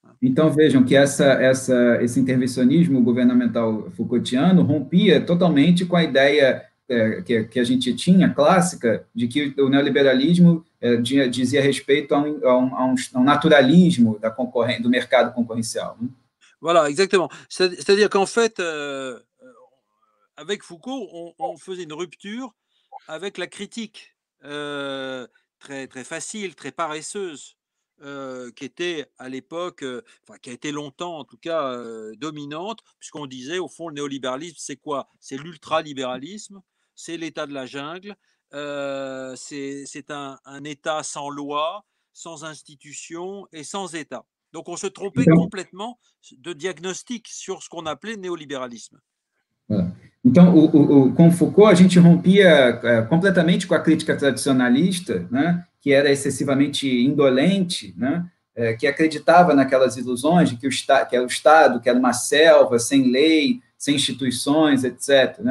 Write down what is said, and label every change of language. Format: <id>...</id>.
<pt>Então, vejam que esse intervencionismo governamental foucaultiano rompia totalmente com a ideia que a gente tinha, clássica, de que o neoliberalismo dizia respeito a um naturalismo da concorrência, do mercado concorrencial.</pt> <fr>Voilà, exactement. C'est-à-dire qu'en fait, avec Foucault, on faisait une rupture avec la critique très, très facile, très paresseuse, qui était à l'époque, enfin, qui a été longtemps en tout cas dominante, puisqu'on disait au fond le néolibéralisme, c'est quoi? C'est l'ultralibéralisme, c'est l'état de la jungle, c'est un état sans loi, sans institution et sans état. Donc on se trompait complètement de diagnostic sur ce qu'on appelait néolibéralisme.</fr> <pt>Então, com Foucault, a gente rompia completamente com a crítica tradicionalista, né, que era excessivamente indolente, né, que acreditava naquelas ilusões de que que era o Estado, que era uma selva sem lei, sem instituições, etc.</pt>